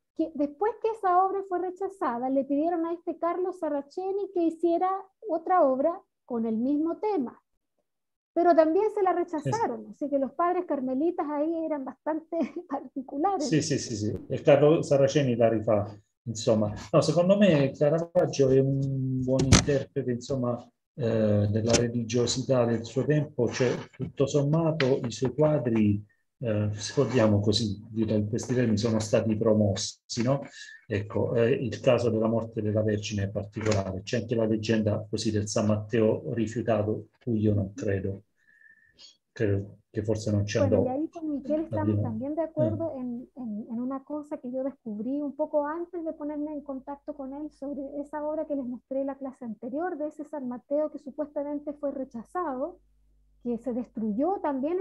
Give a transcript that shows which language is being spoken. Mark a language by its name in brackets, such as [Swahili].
[Spanish] Que después que esa obra fue rechazada, le pidieron a este Carlo Saraceni que hiciera otra obra con el mismo tema, pero también se la rechazaron, así que los padres carmelitas ahí eran bastante particulares. [Italian] Sì. E Carlo Saraceni la rifà, insomma. No, secondo me Caravaggio è un buon interprete, insomma, della religiosità del suo tempo, cioè tutto sommato i suoi quadri. Se vogliamo così dire, in questi termini sono stati promossi, no? Ecco, il caso della morte della Vergine è particolare. C'è anche la leggenda così del San Matteo rifiutato, cui io non credo. Credo che forse non ci [Spanish] Bueno, y [Italian] andò. [Spanish] ahí con Michelle estamos también de acuerdo en una cosa que yo descubrí un poco antes de ponerme en contacto con él sobre esa obra que les mostré en la clase anterior de ese San Mateo que supuestamente fue rechazado, que se destruyó también.